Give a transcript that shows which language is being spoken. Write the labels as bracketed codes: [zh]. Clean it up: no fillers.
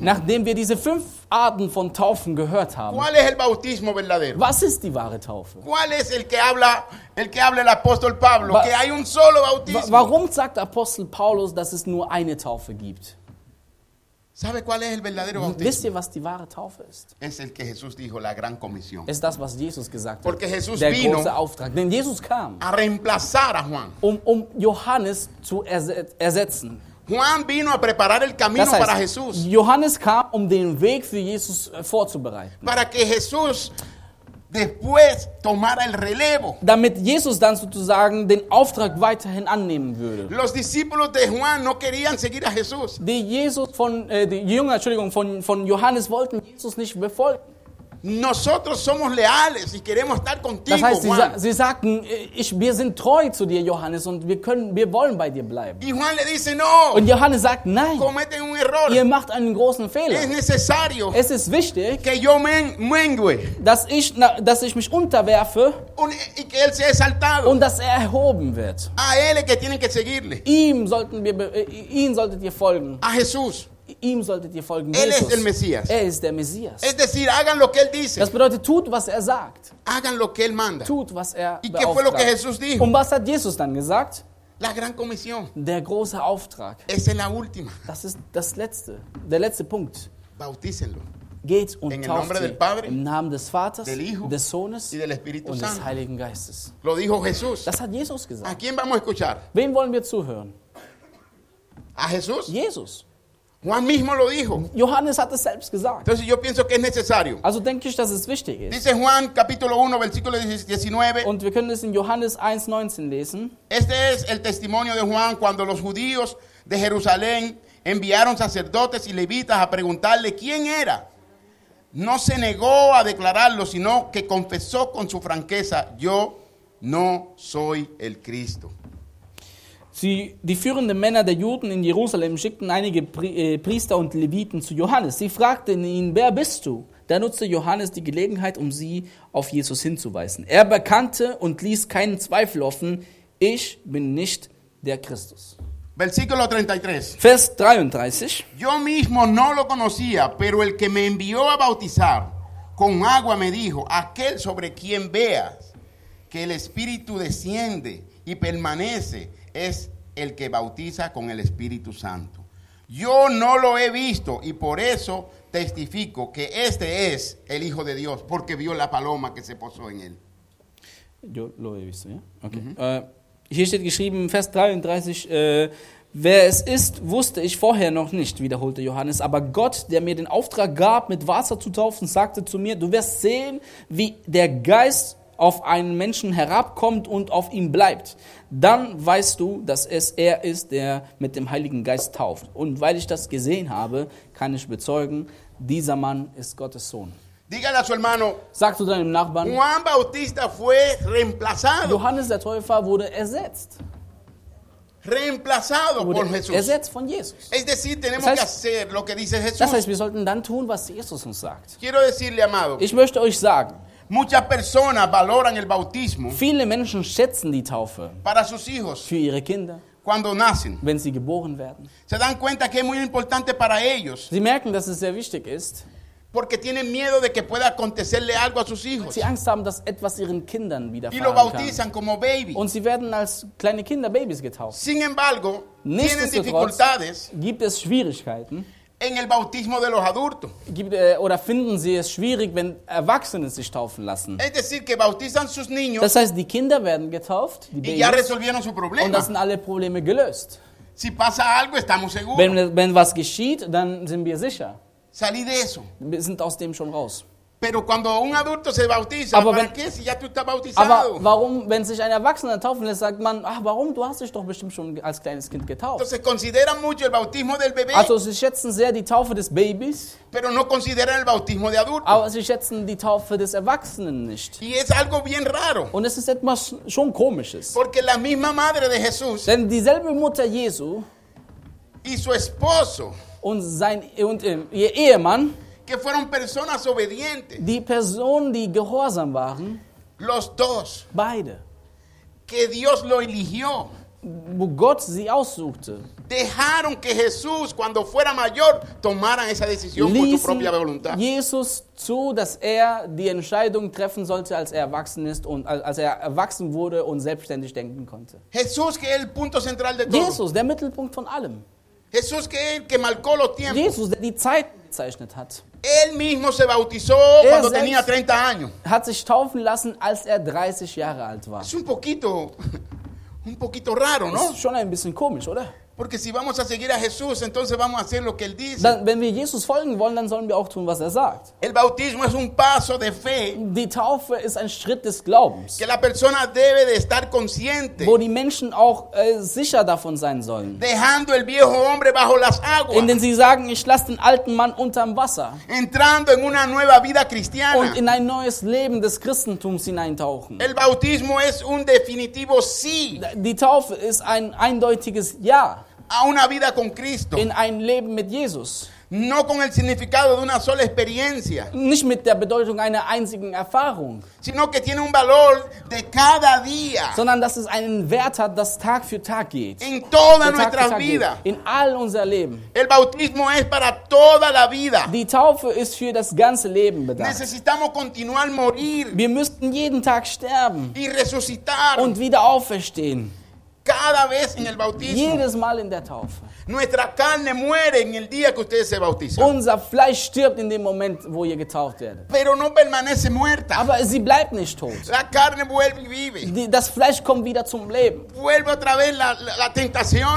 [de] nachdem wir diese fünf Arten von Taufen gehört haben, [es] ¿cuál es el bautismo verdadero? [de] Was ist die wahre Taufe? [es] ¿Cuál es el que habla el apóstol Pablo? Que hay un solo bautismo. [de] Warum sagt Apostel Paulus, dass es nur eine Taufe gibt? [es] ¿Sabe cuál es el verdadero bautismo? [de] Wisst ihr, was die wahre Taufe ist? [es] Es el que Jesús dijo, la gran comisión. [de] Ist das, was Jesus gesagt hat. [es] Porque Jesús [de] der [es] vino, [de] große Auftrag. Denn Jesus kam, [es] a reemplazar a Juan. [de] Um Johannes zu ersetzen. [es] Juan vino a preparar el camino, [de] das heißt, [es] para Jesús. [de] Johannes kam, um den Weg für Jesus vorzubereiten. [es] Para que Jesús después tomara el relevo. [de] Damit Jesus dann sozusagen den Auftrag weiterhin annehmen würde. [es] Los discípulos de Juan no querían seguir a Jesús. [de] Die Jünger von Johannes wollten Jesus nicht befolgen. [es] Nosotros somos leales y queremos estar contigo, [de] das heißt, [es] Juan. [de] Sie sagten, wir sind treu zu dir, Johannes, und wir wollen bei dir bleiben. [es] Y Juan le dice, no. [de] Und Johannes sagt, nein. [es] Cometen un error. [de] Ihr macht einen großen Fehler. [es] Es necesario. [de] Es ist wichtig, [es] que yo mengue. [de] Dass ich mich unterwerfe. [es] Y que él sea exaltado. [de] Und dass er erhoben wird. [es] A él que tienen que seguirle. [de] Ihn solltet ihr folgen. [es] A Jesús. [de] ihm solltet ihr folgen. [es] Él es el Mesías. [de] Er ist der Messias. [es] Es decir, hagan lo que él dice. [de] Das bedeutet, tut, was er sagt. [es] Hagan lo que él manda. [de] Tut, was er beauftragt. [es] ¿Y qué fue lo que Jesús dijo? [de] Und was hat Jesus dann gesagt? [es] La gran comisión. [de] Der große Auftrag. [es] Es en la última. [de] Das ist das letzte, der letzte Punkt. [es] Bautícenlo. [de] Geht und tauft sie [es] Padre, [de] im Namen des Vaters, [es] del Hijo, [de] des Sohnes [es] y del Espíritu [de] und des [es] Santo. [de] Heiligen Geistes. [es] Lo dijo Jesús. [de] Das hat Jesus gesagt. [es] ¿A quién vamos a escuchar? [de] Wem wollen wir zuhören? [es] A Jesús. [de] Jesus. [es] Juan mismo lo dijo. [de] Johannes hat es selbst gesagt. [es] Entonces yo pienso que es necesario. [de] Also denke ich, dass es wichtig ist. [es] Dice Juan, capítulo 1, versículo 19. [de] Und wir können es in Johannes 1, 19 lesen. [es] Este es el testimonio de Juan cuando los judíos de Jerusalén enviaron sacerdotes y levitas a preguntarle quién era. No se negó a declararlo, sino que confesó con su franqueza, yo no soy el Cristo. [de] Die führenden Männer der Juden in Jerusalem schickten einige Priester und Leviten zu Johannes. Sie fragten ihn, wer bist du? Da nutzte Johannes die Gelegenheit, um sie auf Jesus hinzuweisen. Er bekannte und ließ keinen Zweifel offen, ich bin nicht der Christus. [es] Versículo 33. [de] Vers 33. [es] Yo mismo no lo conocía, pero el que me envió a bautizar con agua me dijo, aquel sobre quien veas que el Espíritu desciende y permanece es el que bautiza con el Espíritu Santo. Yo no lo he visto y por eso testifico que este es el Hijo de Dios, porque vio la paloma que se posó en él. Yo lo he visto, ¿ya? [de] Hier steht geschrieben, Vers 33, wer es ist, wusste ich vorher noch nicht, wiederholte Johannes. Aber Gott, der mir den Auftrag gab, mit Wasser zu taufen, sagte zu mir, du wirst sehen, wie der Geist auf einen Menschen herabkommt und auf ihm bleibt. Dann weißt du, dass es er ist, der mit dem Heiligen Geist tauft. Und weil ich das gesehen habe, kann ich bezeugen, dieser Mann ist Gottes Sohn. [es] Dígale a su hermano. [de] Sag zu deinem Nachbarn. [es] Juan Bautista fue reemplazado. [de] Johannes der Täufer wurde ersetzt. [es] Reemplazado [de] wurde [es] por Jesús. [de] Ersetzt von Jesus. [es] Es decir, tenemos [de] das heißt, [es] que hacer lo que dice Jesús. [de] Das heißt, wir sollten dann tun, was Jesus uns sagt. [es] Quiero decirle, amado. [de] Ich möchte euch sagen. [es] Muchas personas valoran el bautismo. [de] Viele Menschen schätzen die Taufe. [es] Para sus hijos. [de] Für ihre Kinder. [es] Cuando nacen. [de] Wenn sie geboren werden. [es] Se dan cuenta que es muy importante para ellos. [de] Sie merken, dass es sehr wichtig ist. [es] Porque tienen miedo de que pueda acontecerle algo a sus hijos. [de] Sie Angst haben, dass etwas ihren Kindern widerfahren [es] kann. Y lo bautizan como baby. [de] Und sie werden als kleine Kinder Babys getauft. [es] Sin embargo, tienen dificultades. [de] Gibt es Schwierigkeiten? [es] En el bautismo de los adultos. [de] Oder finden sie es schwierig, wenn Erwachsene sich taufen lassen? [es] Es decir, que bautizan sus niños. [de] Das heißt, die Kinder werden getauft, die Babys. [es] Y ya resolvieron su problema. [de] Und das sind alle Probleme gelöst. [es] Si pasa algo, estamos seguros. [de] Wenn was geschieht, dann sind wir sicher. [es] Salí de eso. [de] Wir sind aus dem schon raus. [es] Pero cuando un adulto se bautiza, ¿para qué si ya tú estás bautizado? [de] Aber warum, wenn sich ein Erwachsener taufen lässt, sagt man, ach, warum, du hast dich doch bestimmt schon als kleines Kind getauft. [es] Entonces consideran mucho el bautismo del bebé. [de] Also sie schätzen sehr die Taufe des Babys. [es] Pero no consideran el bautismo de adulto. [de] Aber sie schätzen die Taufe des Erwachsenen nicht. [es] Y es algo bien raro. [de] Und es ist etwas schon Komisches. [es] Porque la misma madre de Jesús. [de] Denn dieselbe Mutter Jesu. [es] Y su esposo. [de] Und ihr Ehemann, [es] que fueron personas obedientes, [de] die Personen, die gehorsam waren, [es] los dos, [de] beide, [es] que Dios lo eligió, [de] wo Gott sie aussuchte, [es] dejaron que Jesús, cuando fuera mayor, tomara esa decisión por su propia voluntad. [de] Ließen Jesus zu, dass er die Entscheidung treffen sollte, als er erwachsen ist und als er erwachsen wurde und selbstständig denken konnte. [es] Jesús, que el punto central de todo. [de] Jesus, der Mittelpunkt von allem. [es] Jesús que marcó los tiempos. [de] Jesus, der die Zeit gezeichnet hat. [es] Él mismo se bautizó cuando tenía 30 años. [de] Hat sich taufen lassen, als er 30 Jahre alt war. [es] Es un poquito raro, ¿no? [de] Ist schon ein bisschen komisch, oder? [es] Porque si vamos a seguir a Jesús, entonces vamos a hacer lo que él dice. [de] Wenn wir Jesus folgen wollen, dann sollen wir auch tun, was er sagt. [es] El bautismo es un paso de fe. [de] Die Taufe ist ein Schritt des Glaubens. [es] Que la persona debe de estar consciente. [de] Wo die Menschen auch sicher davon sein sollen. [es] Dejando el viejo hombre bajo las aguas. [de] Indem sie sagen, ich lasse den alten Mann unterm Wasser. [es] Entrando en una nueva vida cristiana. [de] Und in ein neues Leben des Christentums hineintauchen. [es] El bautismo es un definitivo sí. [de] Die Taufe ist ein eindeutiges Ja. [es] A una vida con Cristo. [de] In ein Leben mit Jesus. [es] No con el significado de una sola experiencia. [de] Nicht mit der Bedeutung einer einzigen Erfahrung. [es] Sino que tiene un valor de cada día. [de] Sondern dass es einen Wert hat, das Tag für Tag geht. [es] En toda nuestra vida. [de] In all unser Leben. [es] El bautismo es para toda la vida. [de] Die Taufe ist für das ganze Leben bedacht. [es] Necesitamos continuar morir. [de] Wir müssten jeden Tag sterben. [es] Y resucitar. [de] Und wieder auferstehen. [es] Cada vez en el bautismo. [de] Jedes Mal in der Taufe. [es] Nuestra carne muere en el día que ustedes se bautizan. [de] Unser Fleisch stirbt in dem Moment, wo ihr getauft werdet. [es] Pero no permanece muerta. [de] Aber sie bleibt nicht tot. [es] La carne vuelve y vive. [de] Das Fleisch kommt wieder zum Leben. [es] Vuelve otra vez la tentación.